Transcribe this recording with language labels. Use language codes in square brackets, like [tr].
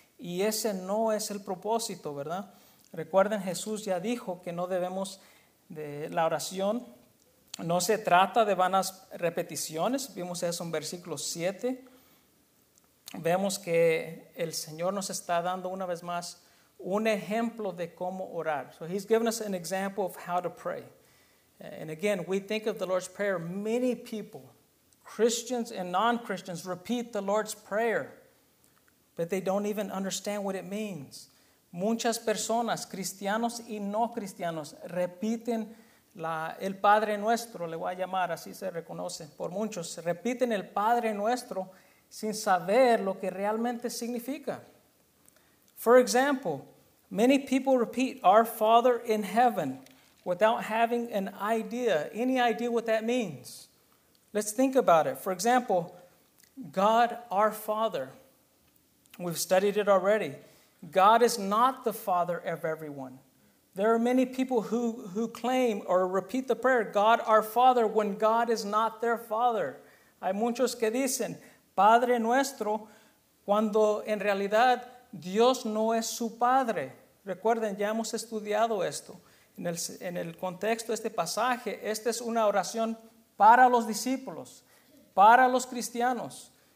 [es] Y ese no es el propósito, ¿verdad? Recuerden, Jesús ya dijo que no debemos de la oración. No se trata de vanas repeticiones. Vimos eso en versículo 7. Vemos que el Señor nos está dando una vez más un ejemplo de cómo orar. [en] So he's given us an example of how to pray. And again, we think of the Lord's Prayer. Many people, Christians and non-Christians, repeat the Lord's Prayer, but they don't even understand what it means. [es] Muchas personas, cristianos y no cristianos, repiten el Padre Nuestro, le voy a llamar, así se reconoce por muchos, repiten el Padre Nuestro sin saber lo que realmente significa. [en] For example, many people repeat "Our Father in Heaven" without having any idea what that means. Let's think about it. For example, God, our Father, we've studied it already. God is not the Father of everyone. There are many people who claim or repeat the prayer, "God, our Father," when God is not their Father. [es] Hay muchos que dicen, "Padre nuestro," cuando en realidad Dios no es su Padre. Recuerden, ya hemos estudiado esto. En el contexto de este pasaje, esta es una oración para los discípulos, para los cristianos.